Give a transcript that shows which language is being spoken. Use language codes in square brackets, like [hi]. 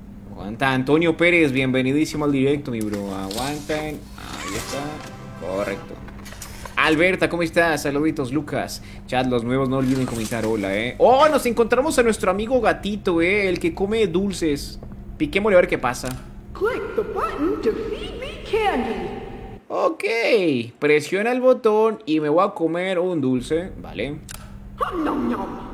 [es] Aguanta, Antonio Pérez, bienvenidísimo al directo, mi bro. Aguanten, ahí está, correcto. Alberta, ¿cómo estás? Saluditos, Lucas. Chat, los nuevos, no olviden comentar, hola, Oh, nos encontramos a nuestro amigo gatito, el que come dulces. Piquémosle a ver qué pasa. [en] Click the button to feed me candy. [es] Ok, presiona el botón y me voy a comer un dulce, vale. No, no.